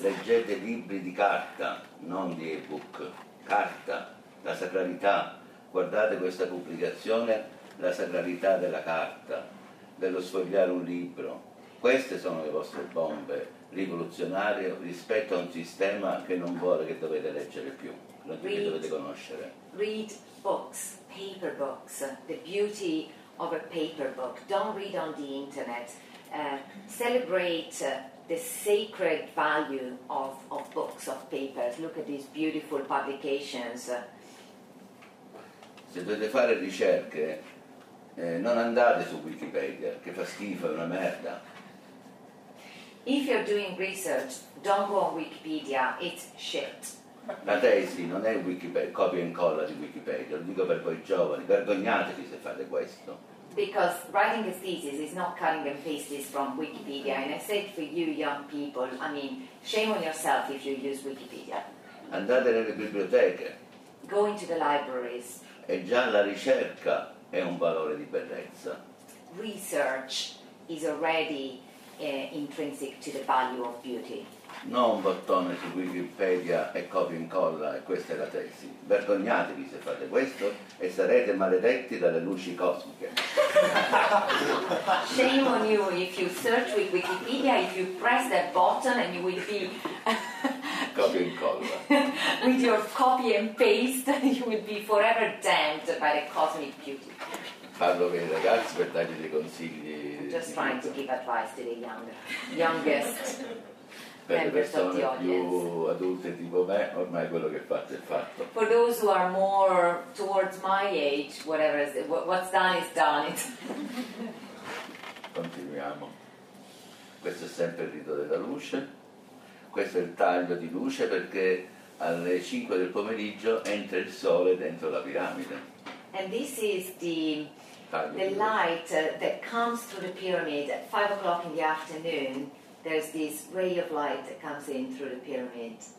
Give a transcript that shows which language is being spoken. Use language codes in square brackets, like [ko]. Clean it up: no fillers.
[it] Leggete libri di carta, non di ebook. Carta, la sacralità. guardate questa pubblicazione, la sacralità della carta, dello sfogliare un libro. Queste sono le vostre bombe rivoluzionarie rispetto a un sistema che non vuole che dovete leggere più, non che dovete conoscere. [en] Read books, paper books, the beauty of a paper book. Don't read on the internet. Celebrate the sacred value of books, of papers. Look at these beautiful publications. [it] Se dovete fare ricerche, non andate su Wikipedia, che fa schifo, è una merda. [en] If you're doing research, don't go on Wikipedia, it's shit. [it] La tesi non è Wikipedia, copia e incolla di Wikipedia, lo dico per voi giovani, vergognatevi se fate questo. [en] Because writing a thesis is not cutting and pasting from Wikipedia, and I say it for you young people, I mean, shame on yourself if you use Wikipedia. [it] Andate nelle biblioteche. [en] Go into the libraries. [it] E già la ricerca è un valore di bellezza. [en] Research is already intrinsic to the value of beauty. [it] Non un bottone su Wikipedia e copia e incolla, e questa è la tesi. Vergognatevi se fate questo e sarete maledetti dalle luci cosmiche. [en] Shame on you if you search with Wikipedia, if you press that button and you will be [it] copia e incolla. [en] With your copy and paste, you will be forever damned by the cosmic beauty. [it] Parlo con i ragazzi per dargli dei consigli. [en] I'm just trying to give advice to the youngest. [it] Per le persone più adulte tipo me, ormai quello che fate è fatto. [en] For those who are more towards my age, whatever is it, what's done is done. [it] Continuiamo. Questo è sempre il rito della luce. Questo è il taglio di luce perché alle 5 del pomeriggio entra il sole dentro la piramide. [en] And this is the light that comes through the pyramid at 5 o'clock in the afternoon. There's this ray of light that comes in through the pyramid.